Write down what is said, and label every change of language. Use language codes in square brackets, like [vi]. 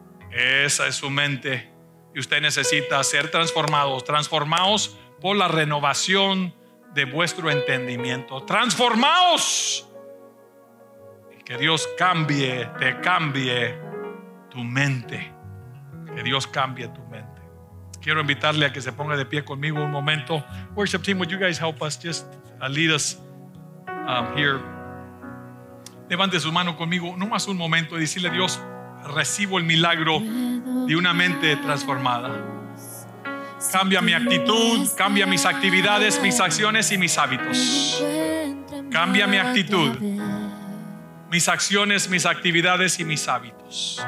[es] Esa es su mente, y usted necesita ser transformados por la renovación de vuestro entendimiento. Transformaos, y que Dios te cambie tu mente. Que Dios cambie tu mente. Quiero invitarle a que se ponga de pie conmigo un momento. [en] Worship team, would you guys help us, just lead us here. [es] Levante su mano conmigo, no más un momento, y decirle a Dios: recibo el milagro de una mente transformada. Cambia mi actitud, cambia mis actividades, mis acciones y mis hábitos. Cambia mi actitud, mis acciones, mis actividades y mis hábitos.